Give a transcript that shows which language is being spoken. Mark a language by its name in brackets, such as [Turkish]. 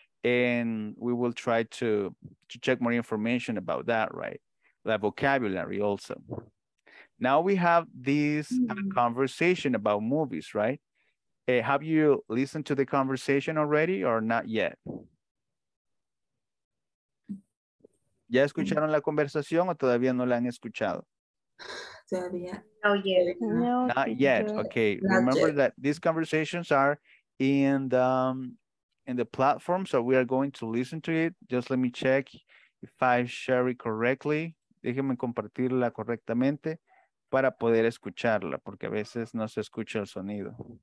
[English] And we will try to check more information about that, right? The vocabulary also. Now we have this conversation about movies, right? Hey, have you listened to the conversation already or not yet? [Spanish] ¿Ya escucharon la conversación o todavía no la han escuchado? Todavía. [English] No, yet. Okay. Not remember yet. That these conversations are in the platform, so we are going to listen to it. Just let me check if I share it correctly. [Spanish] Déjenme compartirla correctamente para poder escucharla, porque a veces no se escucha el sonido.